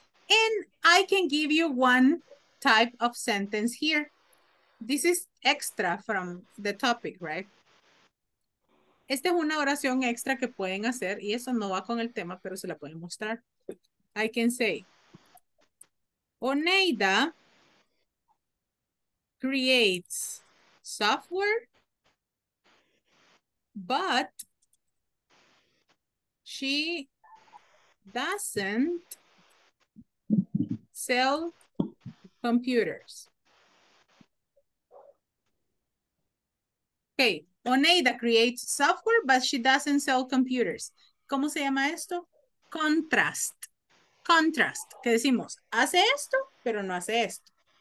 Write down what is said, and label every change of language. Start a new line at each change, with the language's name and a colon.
English: And I can give you one type of sentence here. This is extra from the topic, right?
Spanish: Esta es una oración extra que pueden hacer y eso no va con el tema, pero se la pueden mostrar.
English: I can say, Oneida creates software, but she doesn't sell computers. Okay, Oneida creates software, but she doesn't sell computers.
Spanish: ¿Cómo se llama esto? Contrast. Contrast, que decimos, hace esto, pero no hace esto.